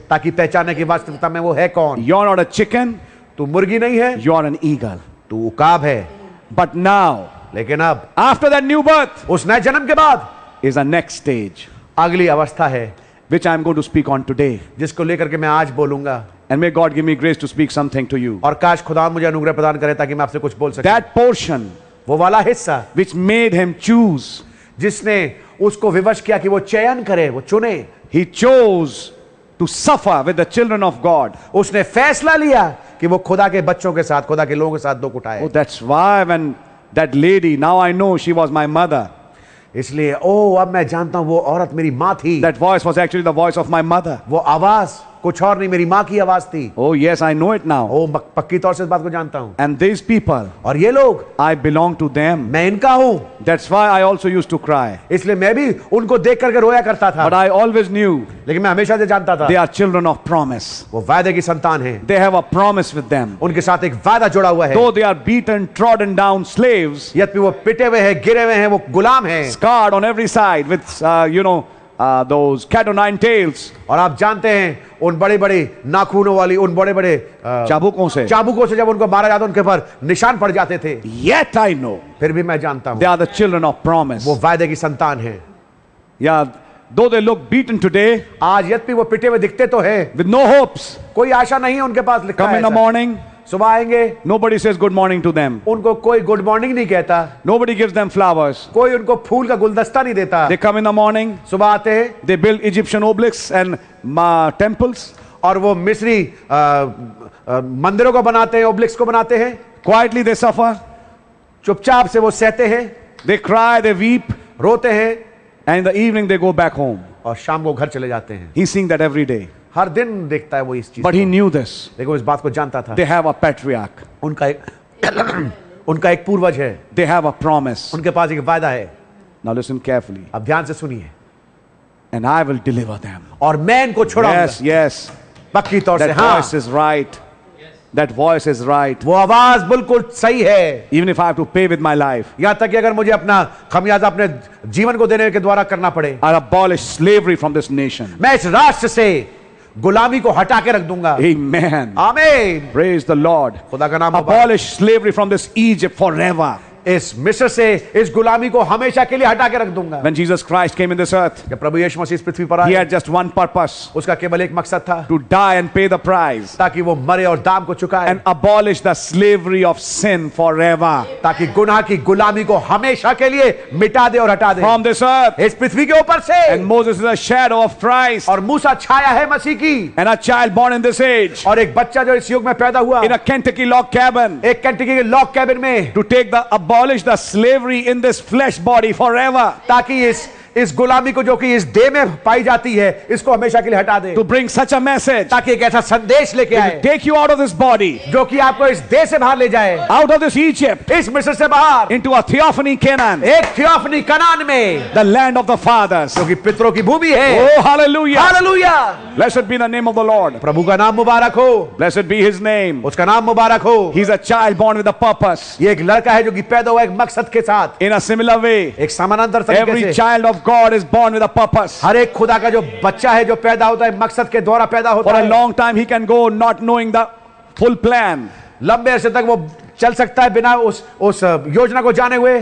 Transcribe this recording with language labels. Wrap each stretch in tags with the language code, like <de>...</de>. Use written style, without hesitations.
<hi>ताकि पहचाने की वास्तविकता में वो है कौन.</hi> <en>you are not a chicken,</en> <hi>तू मुर्गी नहीं है.</hi> <en>you are an eagle,</en> <hi>तू उकाब है.</hi> <en>but now,</en> <hi>लेकिन अब,</hi> <en>after that new birth,</en> <hi>उस नए जन्म के बाद,</hi> <en>is a next stage,</en> <hi>अगली अवस्था है,</hi> <en>which I am going to speak on today,</en> <hi>जिसको लेकर के मैं आज बोलूंगा.</hi> <en>And may God give me grace to speak something to you.</en> <hi>और काश खुदा मुझे अनुग्रह प्रदान करे ताकि मैं आपसे कुछ बोल सकूं.</hi> <en>That portion,</en> <hi>वो वाला हिस्सा,</hi> <en>which made him choose,</en> <hi>जिसने उसको विवश किया कि वो चयन करे, वो चुने.</hi> <en>He chose to suffer with the children of God.</en> <hi>उसने फैसला लिया कि वो खुदा के बच्चों के साथ, खुदा के लोगों के साथ दुख उठाए.</hi> <en>Oh, that's why when that lady, now I know she was my mother.</en> <hi>इसलिए, अब मैं जानता हूँ वो औरत मेरी माँ थी.</hi> <en>That voice was actually the voice of my mother.</en> <hi>वो आवाज कुछ और नहीं, मेरी माँ की आवाज थी.</hi> <en>Oh yes, I know it now.</en> <hi>पक्की तौर से इस बात को जानता हूँ.</hi> <en>And these people,</en> <hi>और ये लोग,</hi> <en>I belong to them.</en> <hi>मैं इनका हूँ.</hi> <en>That's why I also used to cry.</en> <hi>इसलिए मैं भी उनको देख करके रोया करता था.</hi> <en>But I always knew.</en> <hi>लेकिन मैं हमेशा से जानता था.</hi> <en>They are children of promise.</en> <hi>वो वायदे की संतान हैं.</hi> <en>They have a promise with them.</en> <hi>उनके साथ एक वायदा जुड़ा हुआ है.</hi> <en>Though they are beaten, trodden down, slaves.</en> <hi>यद्यपि वो पिटे हुए हैं, गिरे हुए हैं, वो गुलाम हैं.</hi> <en>Scarred on every side with, those cat o' nine tails.</en> <hi>और आप जानते हैं उन बड़े बड़े नाखूनों वाली, उन बड़े बड़े चाबुकों से जब उनको मारा जाता, उनके पर निशान पड़ जाते थे.</hi> <en>Yet I know,</en> <hi>फिर भी मैं जानता हूं,</hi> <en>they are the children of promise.</en> <hi>वो वायदे की संतान हैं.</hi> <en>Yeah, though they look beaten today,</en> <hi>आज यद्यपि वो पिटे हुए दिखते तो हैं,</hi> <en>with no hopes,</en> <hi>कोई आशा नहीं है उनके पास.</hi> <en>Come in the morning,</en> <hi>सुबह आएंगे.</hi> <en>Nobody says good morning to them.</en> <hi>उनको कोई गुड मॉर्निंग नहीं कहता.</hi> <en>Nobody gives them flowers.</en> <hi>कोई उनको फूल का गुलदस्ता नहीं देता.</hi> <en>They come in the morning.</en> <hi>सुबह आते हैं.</hi> <en>They build Egyptian obelisks and temples.</en> <hi>और वो मिस्री मंदिरों को बनाते हैं, obelisks को बनाते हैं.</hi> <en>Quietly they suffer.</en> <hi>चुपचाप से वो सहते हैं.</hi> <en>They cry, they weep.</en> <hi>रोते हैं.</hi> <en>And in the evening they go back home.</en> <hi>और शाम को घर चले जाते हैं.</hi> <en>He's seeing that every day.</en> <hi>हर दिन देखता है वो इस चीज.</hi> <en>But he knew this.</en> <hi>देखो, इस बात को जानता था.</hi> <en>They have a patriarch.</en> <hi>उनका एक पूर्वज है.</hi> <en>They have a promise.</en> <hi>उनके पास एक वायदा है.</hi> <en>Now listen carefully.</en> <hi>अब ध्यान से सुनिए.</hi> <en>And I will deliver them.</en> <hi>और मैं इनको छुड़ाऊंगा.</hi> <en>Yes, yes.</en> <hi>पक्की तौर से.</hi> <en>That voice is right. That voice is right.</en> <hi>वो आवाज बिल्कुल सही है.</hi> <en>Even if I have to pay with my life.</en> <hi>यहां तक कि अगर मुझे अपना खमियाजा अपने जीवन को देने के द्वारा करना पड़े.</hi> <en>I'll abolish slavery from this nation.</en> <hi>मैं इस राष्ट्र से गुलामी को हटा के रख दूंगा.</hi> <en>Amen.</en> <hi>Amen.</hi> <en>Praise the Lord.</en> <hi>खुदा का नाम.</hi> <en>Abolish slavery from this Egypt forever.</en> <hi>इस मिस्र से इस गुलामी को हमेशा के लिए हटा के रख दूंगा.</hi> <en>When Jesus Christ came in this earth,</en> <hi>जब प्रभु यीशु मसीह पृथ्वी पर आए,</hi> <en>he had just one purpose.</en> <hi>उसका केवल एक मकसद था,</hi> <en>to die and pay the price.</en> <hi>ताकि वो मरे और दाम को चुकाए.</hi> <en>And abolish the slavery of sin forever.</en> <hi>ताकि गुनाह की गुलामी को हमेशा के लिए मिटा दे और हटा दे.</hi> <en>From this earth,</en> <hi>इस पृथ्वी के ऊपर से.</hi> <en>And Moses is a shadow of Christ.</en> <hi>और मूसा छाया है मसीह की.</hi> <en>And a child born in this age.</en> <hi>और एक बच्चा जो इस युग में पैदा हुआ.</hi> <en>In a Kentucky log cabin.</en> <hi>एक केंटकी के लॉग कैबिन में.</hi> <en>To take the abolish the slavery in this flesh body forever.</en> <hi>ताकि इस गुलामी को जो कि इस दे में पाई जाती है, इसको हमेशा के लिए हटा दे.</hi> <en>To bring such a message.</en> <hi>ताकि एक ऐसा संदेश लेके आए.</hi> <en>Take you out of this body.</en> <hi>जो कि आपको इस दे से बाहर ले जाए.</hi> <en>Out of this Egypt.</en> <hi>इस मिस्र से बाहर.</hi> <en>Into a theophany Canaan.</en> <hi>एक theophany कनान में.</hi> <en>The land of the fathers.</en> <hi>जो कि पितरों की भूमि है.</hi> <en>Oh hallelujah.</en> <hi>Hallelujah.</hi> <en>Blessed be the name of the Lord.</en> <hi>प्रभु का नाम मुबारक हो.</hi> <en>Blessed be his name.</en> <hi>उसका नाम मुबारक हो.</hi> <en>He's a child born with a purpose.</en> <hi>ये एक लड़का है जो कि पैदा हुआ एक मकसद के साथ.</hi> <en>In a similar way.</en> <hi>एक समानांतर तरीके से.</hi> <en>Every child of God is born with a purpose.</en> <hi>हर एक खुदा का जो बच्चा है, जो पैदा होता है मकसद के द्वारा पैदा होता है.</hi> <en>For a long time he can go not knowing the full plan.</en> <hi>लंबे अरसे तक वो चल सकता है बिना उस योजना को जाने हुए.</hi>